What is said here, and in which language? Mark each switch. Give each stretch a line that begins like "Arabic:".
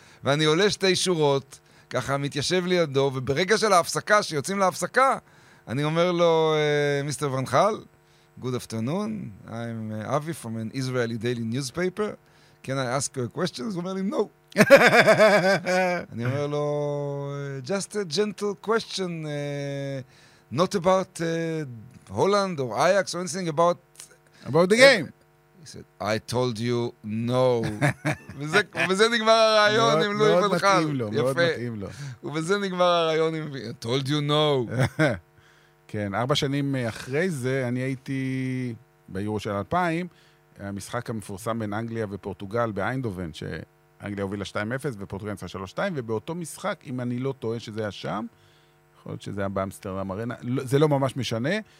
Hebrew: ואני עולה שתי שורות, ככה מתיישב לידו, וברגע של ההפסקה, שיוצאים להפסקה, אני אומר לו, מיסטר ון חאל,
English: good afternoon, I'm Avi from an Israeli daily newspaper, can I ask you a question?
Hebrew: הוא אומר לי,
English: no.
Hebrew: אני אומר לו,
English: just a gentle question, not about Holland or Ajax or anything about... About the game. He said, I told you no.
Hebrew: וזה נגמר הרעיון עם לואי ון חאל. מאוד מתאים לו, מאוד מתאים לו. וזה נגמר הרעיון עם...
English: I told you no.
Hebrew: כן, ארבע שנים אחרי זה, אני הייתי ביורו של 2000, המשחק המפורסם בין אנגליה ופורטוגל באיינדובן, שאנגליה הובילה 2-0 ופורטוגל נצחה 3-2, ובאותו משחק, אם אני לא טועה שזה היה שם, יכול להיות שזה היה באמסטרדם ארנה, זה לא ממש משנה.